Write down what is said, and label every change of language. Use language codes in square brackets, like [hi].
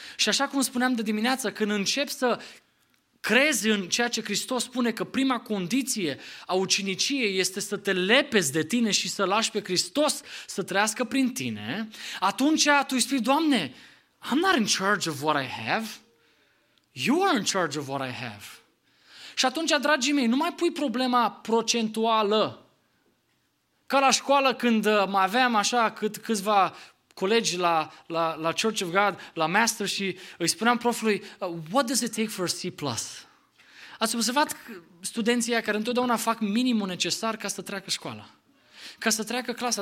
[ro] Și așa cum spuneam de dimineață, când încep să crezi în ceea ce Hristos spune că prima condiție a uciniciei este să te lepezi de tine și să lași pe Hristos să trăiască prin tine, atunci tu îi spui, Doamne, [en] I'm not in charge of what I have. You are in charge of what I have. [ro] Și atunci, dragii mei, nu mai pui problema procentuală. Ca la școală când mai aveam așa câțiva colegi la Church of God, la master, și îi spuneam profului, [en] what does it take for a C+? [ro] Ați observat studenții care întotdeauna fac minimul necesar ca să treacă școala, ca să treacă clasa.